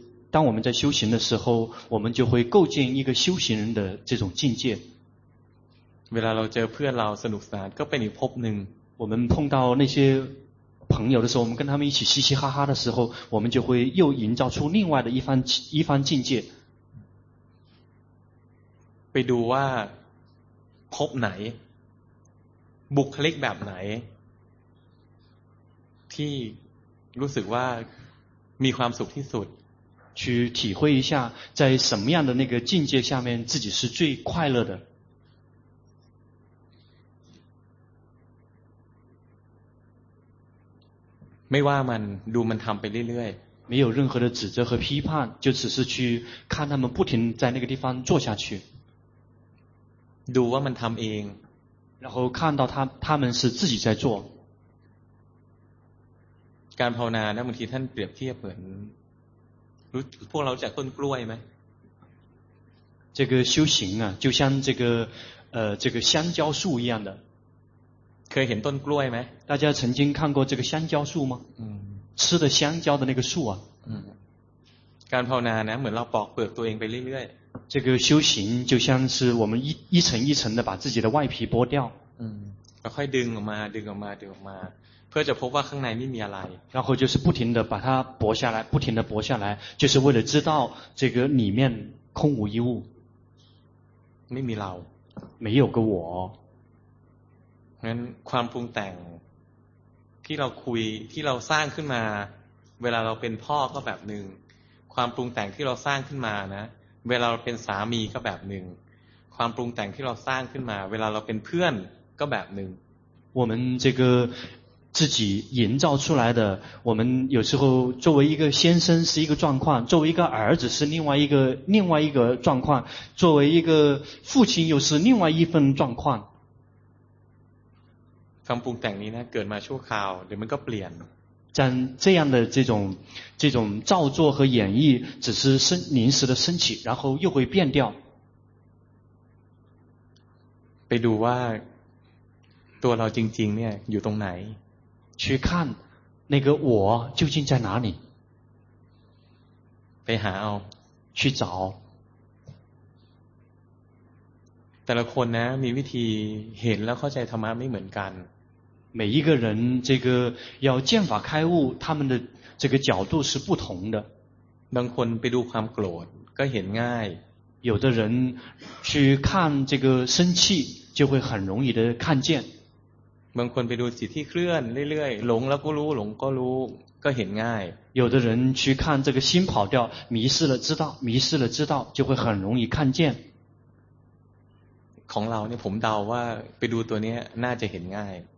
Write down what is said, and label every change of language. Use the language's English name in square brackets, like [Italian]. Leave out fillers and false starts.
[Chinese] 当我们在修行的时候我们就会构建一个修行人的这种境界 [Thai] เวลาเราเจอเพื่อนเราสนุกสนานก็เป็นอีกภพนึง [Chinese] 我们碰到那些朋友的时候我们跟他们一起嘻嘻哈哈的时候我们就会又营造出另外的一番境界 [Thai] ไปดูว่าภพไหนบุคลิกแบบไหนที่รู้สึกว่ามีความสุขที่สุด [Chinese] 去体会一下在什么样的那个境界下面自己是最快乐的 [Thai] ไม่ว่ามันดูมันทำไปเรื่อย [Chinese] ๆ没有任何的指责和批判就只是去看他们不停在那个地方做下去 [Thai] ดูว่ามันทำเอง [Chinese] 然后看到他们是自己在做 [Thai] การภาวนาบางทีท่านเปรียบเทียบเหมือนรู้พวกเราจากต้นกล้วยไหม [Chinese] 这个修行啊就像这个香蕉树一样的 เ 可以很多人爱没大家曾经看过这个香蕉树吗嗯吃的香蕉的那个树啊嗯 [Thai] การภาวนาเนี่ยเหมือนเราปอกเปลือกตัวเองไปเรื่อย [Chinese] ๆ这个修行就像是我们一层一层的把自己的外皮剥掉 [Thai] 嗯ค่อยดึงออกมาดึงออกมาดึงออกมาเพื่อจะพบว่าข้างในไม่มีอะไร [Chinese] 然后就是不停的把它剥下来不停的剥下来就是为了知道这个里面空无一物 [Thai] ไม่มีเรา [Chinese] 没有个我 [Thai] งั้นความปรุงแต่งที่เราคุยที่เราสร้างขึ้นมาเวลาเราเป็นพ่อก็แบบนึงความปรุงแต่งที่เราสร้างขึ้นมานะเวลาเราเป็นสามีก็แบบนึงความปรุงแต่งที่เราสร้างขึ้นมาเวลาเราเป็นเพื่อนก็แบบนึง [Chinese] 我们这个自己营造出来的我们有时候作为一个先生是一个状况作为一个儿子是另外一个状况作为一个父亲又是另外一份状况 [Thai] ความปรุงแต่งนี้นะเกิดมาชั่วคราวเดี๋ยวมันก็เปลี่ยน [Chinese] จ这样的这种造作和演绎只是临时的升起然后又会变掉 [Thai] ไปดูว่าตัวเราจริงๆเนี่ยอยู่ตรงไหน [Chinese] 去看那个我究竟在哪里 [Thai] ไปหาเอา [Chinese] 去找 [Thai] แต่ละคนนะมีวิธีเห็นแล้วเข้าใจธรรมะไม่เหมือนกัน [Chinese] 每一个人这个要见法开悟他们的这个角度是不同的 [Thai] บางคนไปดูความโกรธก็เห็นง่าย [Chinese] 有的人去看这个生气就会很容易的看见 [Thai] บางคนไปดูจิตที่เคลื่อนเรื่อยๆหลงแล้วก็รู้หลงก็รู้ก็เห็นง่าย [Chinese] 有的人去看这个心跑掉迷失了知道迷失了知道就会很容易看见 [Thai] ของเราเนี่ยผมเดาว่าไปดูตัวนี้น่าจะเห็นง่าย